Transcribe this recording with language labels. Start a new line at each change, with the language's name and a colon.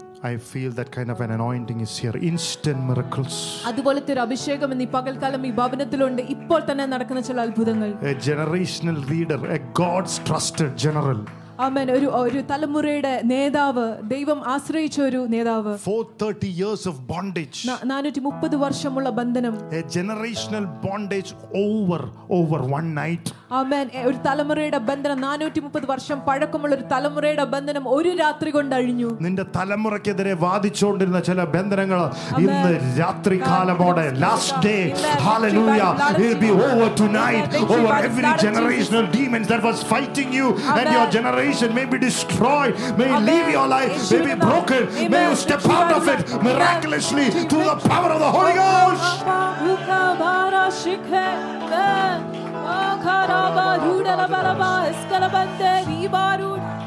English: I feel that kind of an anointing is here. Instant miracles.
Malayalam: അതുപോലത്തെ ഒരു അഭിഷേകം ഇന്ന് ഈ പകൽക്കാലം ഈ ഭവനത്തിലുണ്ട്. ഇപ്പോൾ തന്നെ നടക്കുന്ന ചില അത്ഭുതങ്ങൾ.
English: A generational leader, a God's trusted general. Amen.
Malayalam: ഒരു തലമുറയുടെ നേതാവ്, ദൈവം ആശ്രയിച്ച ഒരു നേതാവ്.
English: 430 years of bondage.
Malayalam: 430 വർഷമുള്ള ബന്ധനം.
English: A generational bondage over one night. Amen.
Malayalam: ഒരു തലമുറയുടെ ബന്ധനം, 430 വർഷം പഴക്കമുള്ള ഒരു തലമുറയുടെ ബന്ധനം ഒരു രാത്രി കൊണ്ട് അഴിഞ്ഞു. നിന്റെ തലമുറയ്ക്കെതിരെ വാദിച്ചുകൊണ്ടിരുന്ന ചില ബന്ധനങ്ങൾ ഇന്ന് രാത്രി കാലമോടെ,
English: last day, hallelujah, it'll be over tonight, over every generational demons that was fighting you and your generation. May be destroyed, may Amen. Leave your life, may be broken, Amen. May you step out of it miraculously through the power of the Holy Ghost.